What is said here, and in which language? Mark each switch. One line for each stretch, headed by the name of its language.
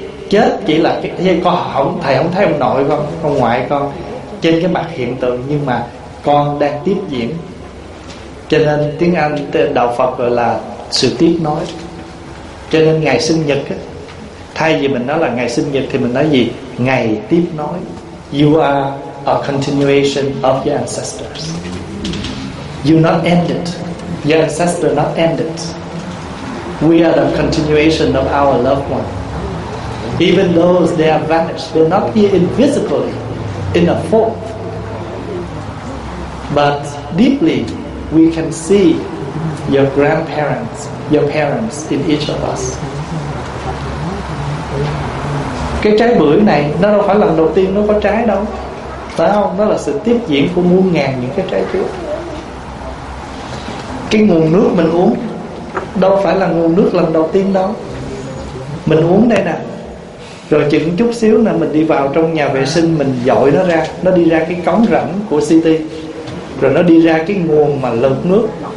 Vietnamese: chết chỉ là cái con không, thầy không thấy ông nội con, ông ngoại con trên cái mặt hiện tượng, nhưng mà con đang tiếp diễn. Cho nên tiếng Anh đạo Phật gọi là sự tiếp nối. Cho nên ngày sinh nhật ấy, thay vì mình nói là ngày sinh nhật thì mình nói gì? Ngày tiếp nối.
English: You are a continuation of your ancestors. You not ended. Your ancestor not ended. We are the continuation of our loved one. Even though they have vanished, they're not here invisibly in a form, but deeply we can see your grandparents, your parents in each of us.
Vietnamese: Cái trái bưởi này nó đâu phải lần đầu tiên nó có trái đâu, phải không? Nó là sự tiếp diễn của muôn ngàn những cái trái trước. Cái nguồn nước mình uống đâu phải là nguồn nước lần đầu tiên đâu. Mình uống đây nè, rồi chừng chút xíu nè, mình đi vào trong nhà vệ sinh, mình dội nó ra, nó đi ra cái cống rãnh của city, rồi nó đi ra cái nguồn mà lọc nước.